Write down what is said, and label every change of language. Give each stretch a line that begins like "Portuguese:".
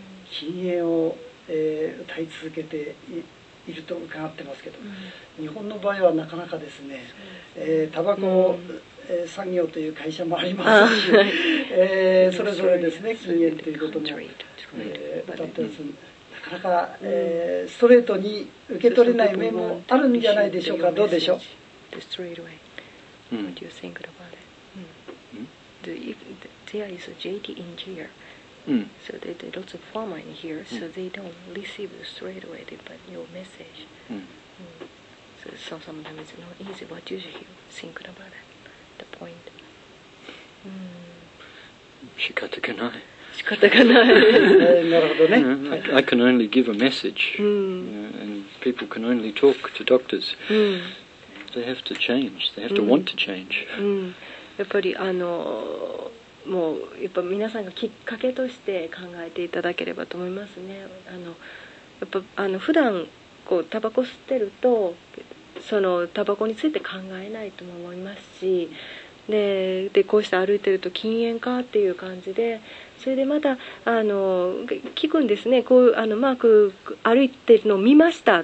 Japanese: 禁煙を、歌い続けて いると伺ってますけど、日本の場合はなかなかですね、タバコを産業という会社もありますし、それぞれですね、禁煙ということも、歌ってます。なかなか、ストレートに受け取れない面もあるんじゃないでしょうか。どうでしょう。
English: What do you think about it? There is a JT in here. So there are lots of farmers in here, so they don't receive straight away but your message. So sometimes it's not easy, but you should think about it. The point.
Japanese: 仕方がない。仕方がない。なるほどね。
English: I can only give a message, and people can only talk to doctors. They have to change. They have to want to change.
Japanese: やっぱりもうやっぱ皆さんがきっかけとして考えていただければと思いますね。やっぱ普段こうタバコ吸ってると。そのタバコについて考えないとも思いますし、でこうして歩いてると禁煙かっていう感じで、それでまた聞くんですね、こうマーク歩いてるのを見ました。